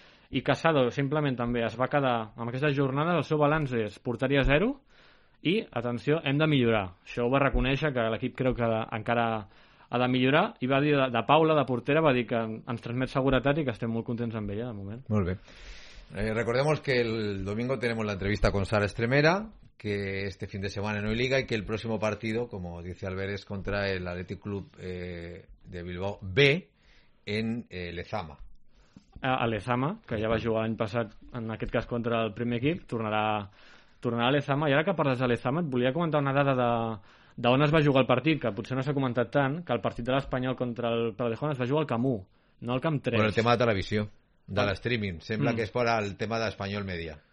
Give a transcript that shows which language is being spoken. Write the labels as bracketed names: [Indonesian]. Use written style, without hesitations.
[Catalan] I Casado, simplement també, es va quedar amb aquesta jornada, el seu balanç és porteria 0 i, atenció, hem de millorar. Això ho va reconèixer, que l'equip creu que encara ha de millorar, i va dir de Paula, de portera, va dir que ens transmet seguretat i que estem molt contents amb ella, de moment. Molt bé. [Spanish] Recordemos que el domingo tenemos la entrevista con Sara Estremera, que este fin de semana no hay liga, y que el próximo partido, como dice Albert, es contra el Athletic Club de Bilbao B en Lezama. [Catalan] A Lezama, que ja va jugar l'any passat, en aquest cas contra el primer equip, tornarà a Lezama. I ara que parles de Lezama, et volia comentar una dada d'on es va jugar el partit, que potser no s'ha comentat tant, que el partit de l'Espanyol contra el Pradejón es va jugar al Camp 1, no al Camp 3. Però el tema de televisió, de l'estreaming, sembla que és per al tema d'Espanyol Media.